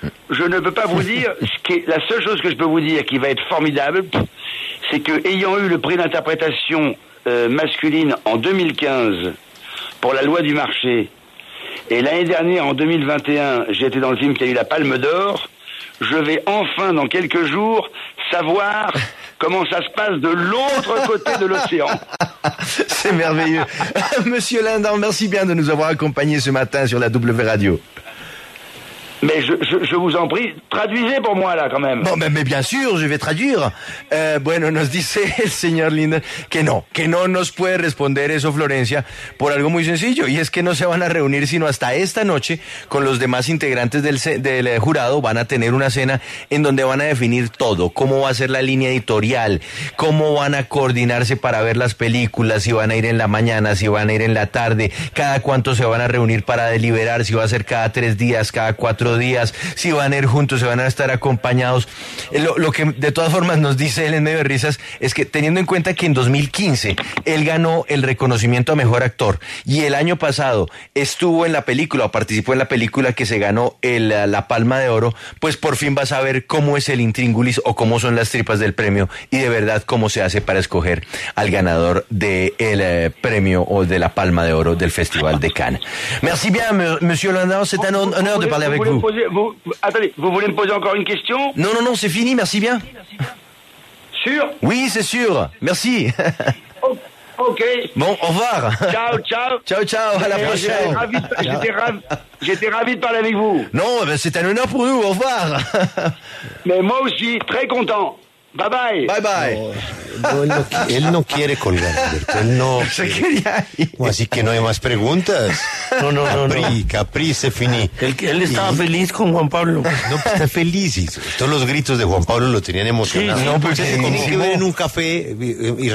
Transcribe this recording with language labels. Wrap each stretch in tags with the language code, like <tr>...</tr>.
<fr>Je ne peux pas vous dire, ce qui est, la seule chose que je peux vous dire qui va être formidable, c'est que ayant eu le prix d'interprétation masculine en 2015 pour La Loi du marché, et l'année dernière, en 2021, j'ai été dans le film qui a eu la Palme d'Or, je vais enfin, dans quelques jours, savoir comment ça se passe de l'autre côté de l'océan. C'est merveilleux. Monsieur Lindan, merci bien de nous avoir accompagnés ce matin sur la W Radio. Mais je vous en prie, traduisez pour moi, là, quand même. Bon, mais bien sûr, je vais traduire.</fr> <es>Bueno, nos dice el señor Lindan que no nos puede responder eso, Florencia, por algo muy sencillo, y es que no se van a reunir sino hasta esta noche con los demás integrantes del jurado. Van a tener una cena en donde van a definir todo, cómo va a ser la línea editorial, cómo van a coordinarse para ver las películas, si van a ir en la mañana, si van a ir en la tarde, cada cuánto se van a reunir para deliberar, si va a ser cada 3 días, cada 4 días, si van a ir juntos, si van a estar acompañados. Lo que de todas formas nos dice él en medio de risas es que, teniendo en cuenta que en 2015 él ganó el reconocimiento a mejor actor y el año pasado estuvo en la película o participó en la película que se ganó la Palma de Oro, pues por fin vas a ver cómo es el intríngulis o cómo son las tripas del premio y de verdad cómo se hace para escoger al ganador del premio o de la Palma de Oro del Festival de Cannes.</es> <fr>Merci bien, monsieur Landau, c'est un honneur de parler. Vous voulez me poser encore une question? Non, c'est fini, merci bien. Sûr? Oui, c'est sûr, merci. Ok. Bon, au revoir. Ciao, à la prochaine. J'étais ravi de parler avec vous. Non, ben c'est un honneur pour nous, au revoir. Mais moi aussi, très content. Bye bye.</fr> <es>Él no quiere colgar, Alberto. Él no. Se quería ir. Así que no hay más preguntas. No.</es> <fr>Capri, se finí.</fr> <es>Él estaba feliz con Juan Pablo. No, pues está feliz. Todos los gritos de Juan Pablo lo tenían emocionado. Sí, no, porque se tenía que ver en un café y</es>